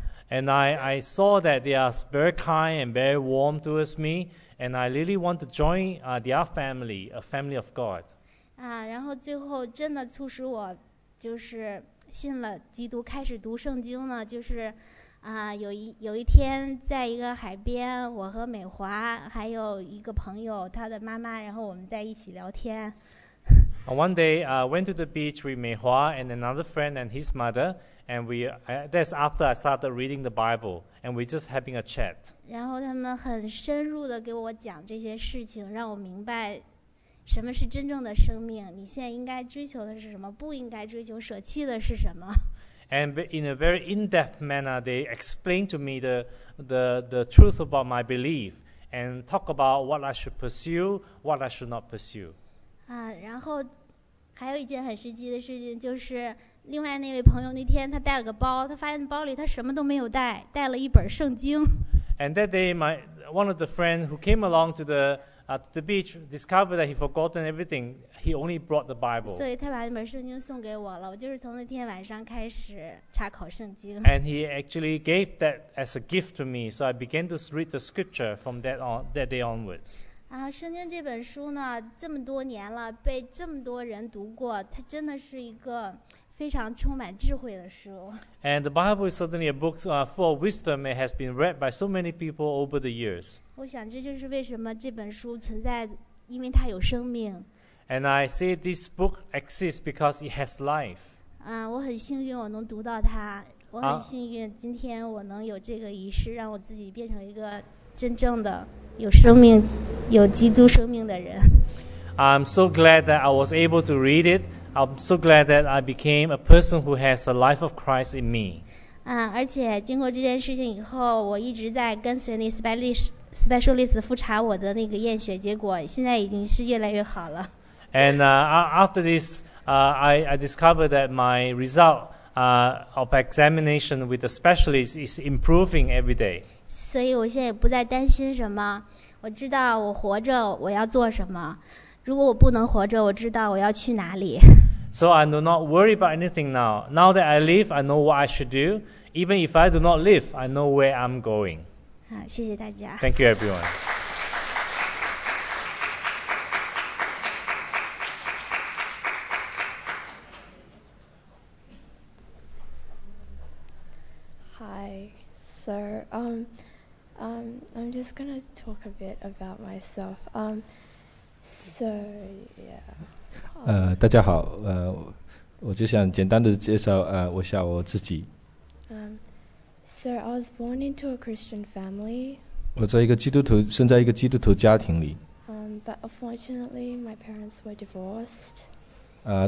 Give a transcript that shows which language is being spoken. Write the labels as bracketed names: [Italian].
[English] And I saw that they are very kind and very warm towards me, and I really want to join their family, a family of God. [Chinese] 然后最后真的促使我就是信了基督，开始读圣经呢，就是有一天在一个海边，我和美华还有一个朋友他的妈妈，然后我们在一起聊天。 [English] One day I went to the beach with Mei Hua and another friend and his mother, and we that's after I started reading the Bible, and we just having a chat. [Chinese] 然后他们很深入地给我讲这些事情，让我明白什么是真正的生命，你现在应该追求的是什么，不应该追求，舍弃的是什么。 [English] And in a very in-depth manner, they explained to me the truth about my belief and talk about what I should pursue, what I should not pursue. [Chinese] 然后还有一件很实际的事情，就是另外那位朋友那天他带了个包，他发现包里他什么都没有带，带了一本圣经。 [English] And that day, one of the friends who came along to the beach discovered that he forgotten everything. He only brought the Bible. [Chinese] 所以他把那本圣经送给我了，我就是从那天晚上开始查考圣经。 [English] And he actually gave that as a gift to me, so I began to read the scripture from that day onwards. [Chinese] 圣经这本书呢，这么多年了，被这么多人读过，它真的是一个非常充满智慧的书。 [English] And the Bible is certainly a book full of wisdom. It has been read by so many people over the years. [Chinese] 我想这就是为什么这本书存在，因为它有生命。 [English] And I say this book exists because it has life. [Chinese] 我很幸运我能读到它，我很幸运今天我能有这个仪式，让我自己变成一个真正的有生命、有基督生命的人。 [English] I'm so glad that I was able to read it. I'm so glad that I became a person who has a life of Christ in me. [Chinese] 而且经过这件事情以后，我一直在跟随那specialist 复查我的那个验血结果，现在已经是越来越好了。 [English] And after this, I discovered that my result of examination with the specialist is improving every day. [Chinese] 所以我现在也不再担心什么，我知道我活着我要做什么，如果我不能活着，我知道我要去哪里。 [English] So I do not worry about anything now. Now that I live, I know what I should do. Even if I do not live, I know where I'm going. [Chinese] 谢谢大家。 [English] Thank you, everyone. Hi, sir. I'm just gonna talk a bit about myself. So yeah. [Chinese] 大家好，我就想简单的介绍我下我自己。 [English] So I was born into a Christian family. [Chinese] 我在一个基督徒，生在一个基督徒家庭里。 [English] But unfortunately, my parents were divorced.